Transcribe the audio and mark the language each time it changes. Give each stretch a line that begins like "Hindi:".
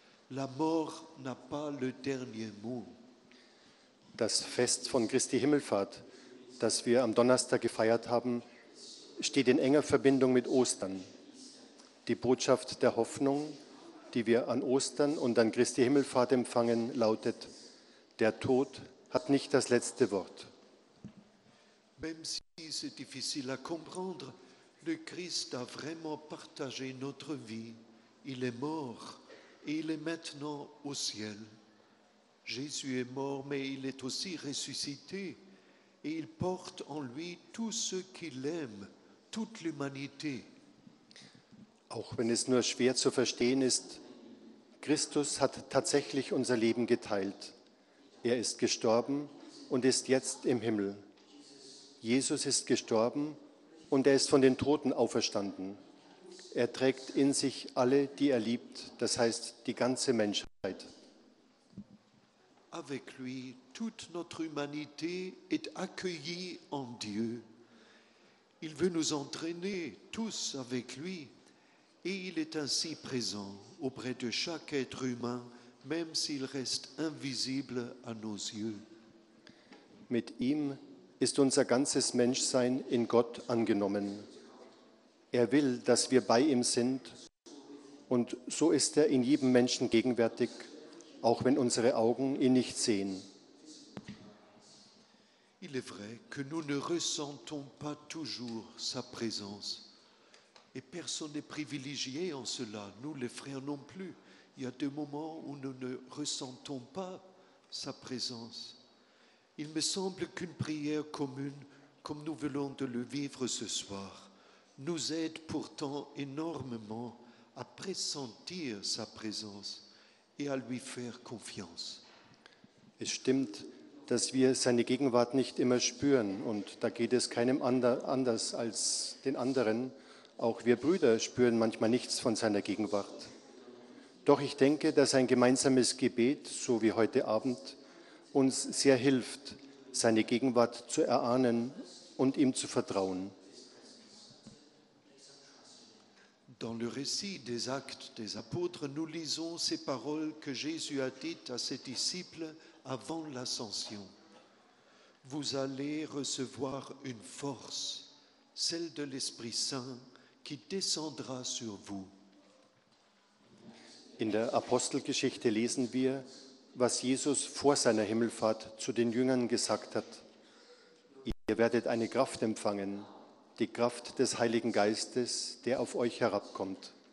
French: La mort n'a pas le dernier mot.
German: Das Fest von Christi Himmelfahrt, das wir am Donnerstag gefeiert haben, steht in enger Verbindung mit Ostern. Die Botschaft der Hoffnung, die wir an Ostern und an Christi Himmelfahrt empfangen, lautet: Der Tod hat nicht das letzte Wort.
French: Même si c'est difficile à comprendre, le Christ a vraiment partagé notre vie. Il est mort et il est maintenant au ciel. Jésus est mort, mais il est aussi ressuscité et il porte en lui tous ceux qui l'aiment. Toute l'humanité.
German: Auch wenn es nur schwer zu verstehen ist, Christus hat tatsächlich unser Leben geteilt. Er ist gestorben und ist jetzt im Himmel. Jesus ist gestorben und er ist von den Toten auferstanden. Er trägt in sich alle, die er liebt, das heißt die ganze Menschheit.
French: Avec lui, toute notre humanité est accueillie en Dieu. Il veut nous entraîner tous avec lui et il est ainsi présent auprès de chaque être humain, même s'il reste invisible à nos yeux.
German: Mit ihm ist unser ganzes Menschsein in Gott angenommen. Er will, dass wir bei ihm sind und so ist er in jedem Menschen gegenwärtig, auch wenn unsere Augen ihn nicht sehen.
French: Il est vrai que nous ne ressentons pas toujours sa présence. Et personne n'est privilégié en cela, nous les frères non plus. Il y a des moments où nous ne ressentons pas sa présence. Il me semble qu'une prière commune, comme nous venons de le vivre ce soir, nous aide pourtant énormément à pressentir sa présence et à lui faire confiance.
German: Es stimmt, dass wir seine Gegenwart nicht immer spüren, und da geht es keinem anders als den anderen. Auch wir Brüder spüren manchmal nichts von seiner Gegenwart. Doch ich denke, dass ein gemeinsames Gebet, so wie heute Abend, uns sehr hilft, seine Gegenwart zu erahnen und ihm zu vertrauen.
French: Dans le récit des Actes des Apôtres, nous lisons ces paroles que Jésus a dites à ses disciples avant l'ascension. Vous allez recevoir une force, celle de l'Esprit Saint, qui descendra sur vous.
German: In der Apostelgeschichte lesen wir, was Jesus vor seiner Himmelfahrt zu den Jüngern gesagt hat. Ihr werdet eine Kraft empfangen, die Kraft des Heiligen Geistes, der auf euch herabkommt.